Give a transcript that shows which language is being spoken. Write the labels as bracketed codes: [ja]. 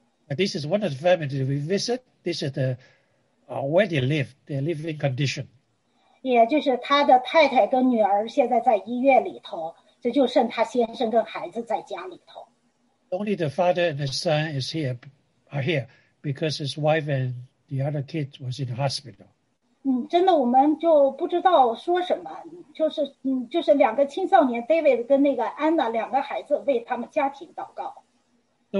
[en] This is one of the families we visit. This is the where they live, their living condition. [zh] 也就是他的太太跟女儿现在在医院里头。这就剩他先生跟孩子在家里头。Only [en] the father and the son is here, are here because his wife and the other kids was in the hospital. [zh] 真的我们就不知道说什么，就是两个青少年 David 跟那个 Anna 两个孩子为他们家庭祷告。So